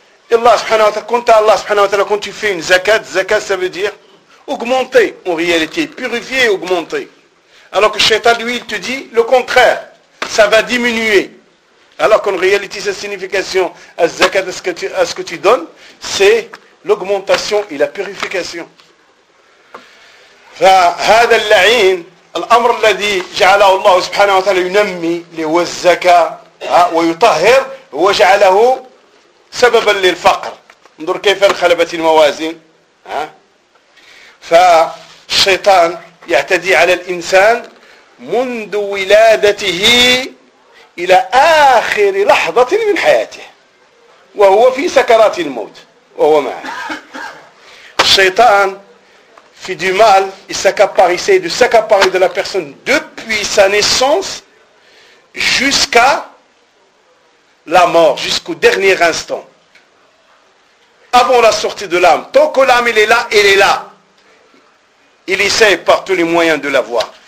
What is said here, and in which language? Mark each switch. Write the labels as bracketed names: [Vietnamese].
[French] Et Allah subhanahu wa ta'ala, quand tu fais une zakat, ça veut dire augmenter en réalité, purifier et augmenter. Alors que Shaitan, lui, il te dit le contraire, ça va diminuer. Alors qu'en réalité, sa signification à zakat, à ce que tu donnes, c'est l'augmentation et la purification. [Arabic] فهذا اللعين الأمر الذي جعله الله سبحانه وتعالى ينمي هو الزكاة ويطهر وجعله سببا للفقر. انظر كيف انخلبت الموازين. فالشيطان يعتدي على الإنسان منذ ولادته إلى آخر لحظة من حياته وهو في سكرات الموت وهو معه. [French] الشيطان fait du mal, il s'accapare, il essaie de s'accaparer de la personne depuis sa naissance jusqu'à la mort, jusqu'au dernier instant. Avant la sortie de l'âme, tant que l'âme elle est là, elle est là. Il essaie par tous les moyens de l'avoir.